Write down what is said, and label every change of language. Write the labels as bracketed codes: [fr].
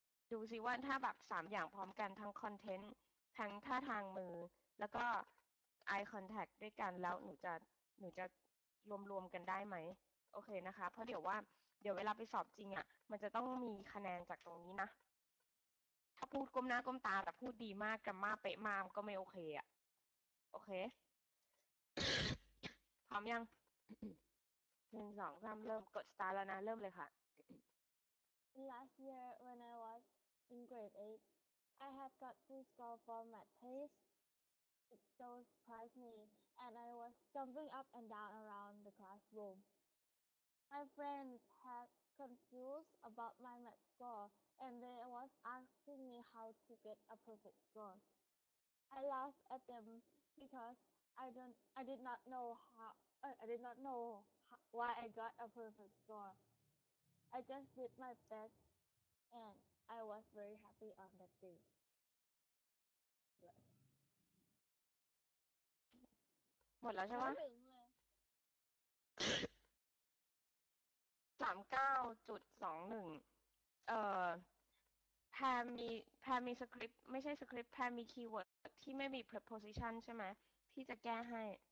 [th] ดูซิว่าถ้าแบบ3อย่างพร้อมกันทั้ง content ทั้งท่าทางมือแล้วก็ eye contact ด้วยกันแล้วหนูจะรวมๆกันได้ไหมโอเคนะคะเพราะเดี๋ยวว่าเดี๋ยวเวลาไปสอบจริงอ่ะมันจะต้องมีคะแนนจากตรงนี้นะถ้าพูดก้มหน้าก้มตาแต่พูดดีมากกราม่าเป๊ะมากก็ไม่โอเคอ่ะโอเค พร้อมยัง1 2 3เริ่มกด start แล้วนะเริ่มเลยค่ะ [en] Last year when I was in grade 8 I had got full score for math test It so surprised me and I was jumping up and down around the classroom My friend had confused about my math score and they was asking me how to get a perfect score. I laughed at them because I did not know why I got a perfect score. I just did my best and I was very happy on that day. [th] หมดแล้วใช่ไหมสามเก้าจุดสองหนึ่งแพรมีสคริปต์ไม่ใช่สคริปต์แพรมีคีย์เวิร์ดที่ไม่มี preposition ใช่ไหมที่จะแก้ให้